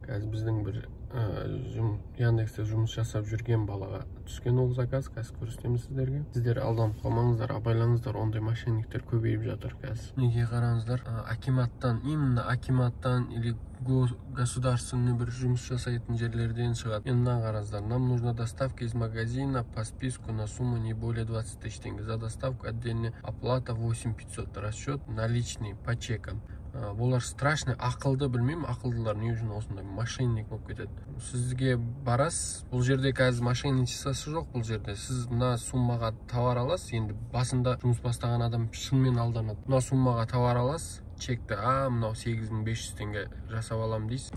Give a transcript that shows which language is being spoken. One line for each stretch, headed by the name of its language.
Kazakh: Қазір біздің бір Яндексте жұмыс жасап жүрген балаға түскен ол заказ. Қазір көрсетемін сіздерге. Сіздер алданып қалмаңыздар, абайлаңыздар. Ондай мошенниктер көбейіп жатыр қазір. Неге қараңыздар? Акиматтан,
Russian: именно
Kazakh: акиматтан
Russian: или государственный
Kazakh: бір жұмыс жасайтын жерлерден шығады.
Russian: Мына қараңыздар, нам нужна доставка из магазина по списку на сумму не более 20 тысяч тенге. За доставку отдельная оплата 8500. Расчет наличный по чекам.
Kazakh: Олар страшный, ақылды білмеймін, ақылдылар не үшін осындай мошенник болып кетеді. Сізге барасыз, бұл жерде қазір мошенничествосы жоқ бұл жерде. Сіз мына суммаға товар аласыз, енді басында жұмыс бастаған адам шынымен алданады. Мына суммаға товар аласыз, чекті, мынау 8500 теңге жасап аламын дейсіз.